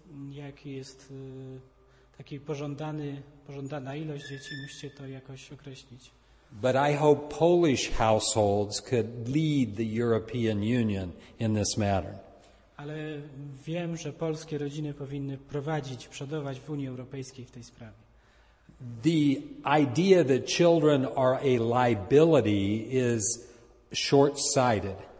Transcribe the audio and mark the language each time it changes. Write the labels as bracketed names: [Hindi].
[Polish] Jaki jest taki pożądana ilość dzieci, musicie to jakoś określić. [English] But I hope Polish households could lead the European Union in this matter. [Polish] Ale wiem, że polskie rodziny powinny prowadzić, przodować w Unii Europejskiej w tej sprawie. [English] The idea that children are a liability is short-sighted.